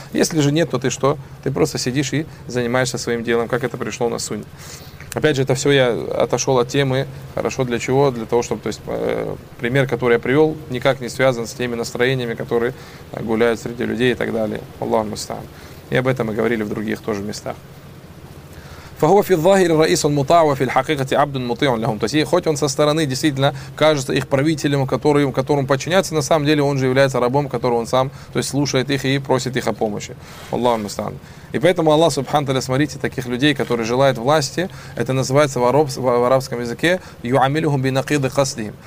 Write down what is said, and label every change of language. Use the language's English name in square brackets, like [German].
[Russian] Если же нет, то ты что? Ты просто сидишь и занимаешься своим делом, как это пришло на сунне. Опять же, это все я отошел от темы. Хорошо, для чего? Для того, чтобы то есть, пример, который я привел, никак не связан с теми настроениями, которые гуляют среди людей и так далее. Аллаху мустаан. И об этом мы говорили в других тоже местах. [Arabic] فهو في الظاهر رئيس مطاع وفي الحقيقة عبد مطيع لهم. [Russian] То есть, хоть он со стороны действительно кажется их правителем, которому подчиняется, на самом деле он же является рабом, которого он сам, то есть слушает их и просит их о помощи. Аллаху мустаан. И поэтому Аллах Субхану Тааля, смотрите, таких людей, которые желают власти, это называется в арабском языке [Arabic] يُعَمِلُهُمْ بِنَقِيدِ قَصْدِهِمْ.